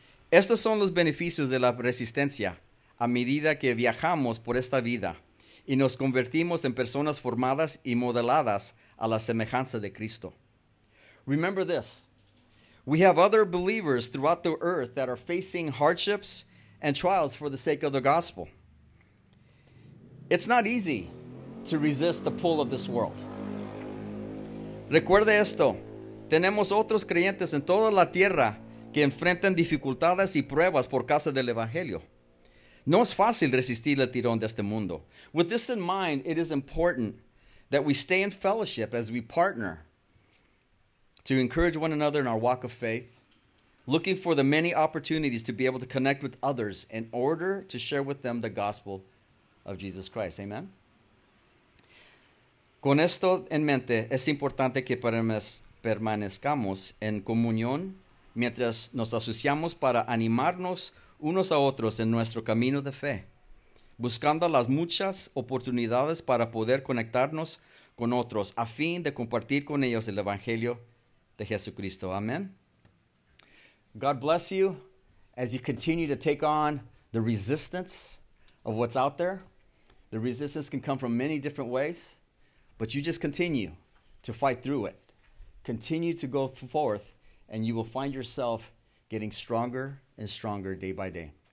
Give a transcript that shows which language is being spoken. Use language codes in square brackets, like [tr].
[es] Estos son los beneficios de la resistencia a medida que viajamos por esta vida y nos convertimos en personas formadas y modeladas a la semejanza de Cristo. [en] Remember this. We have other believers throughout the earth that are facing hardships and trials for the sake of the gospel. It's not easy to resist the pull of this world. [es] Recuerde esto. Tenemos otros creyentes en toda la tierra que enfrentan dificultades y pruebas por causa del Evangelio. No es fácil resistir el tirón de este mundo. [en] With this in mind, it is important that we stay in fellowship as we partner to encourage one another in our walk of faith, looking for the many opportunities to be able to connect with others in order to share with them the gospel of Jesus Christ. Amen. [es] Con esto en mente, es importante que permanezcamos en comunión mientras nos asociamos para animarnos unos a otros en nuestro camino de fe, buscando las muchas oportunidades para poder conectarnos con otros a fin de compartir con ellos el Evangelio de Jesucristo. [en] Amen. God bless you as you continue to take on the resistance of what's out there. The resistance can come from many different ways, but you just continue to fight through it. Continue to go forth, and you will find yourself getting stronger and stronger day by day.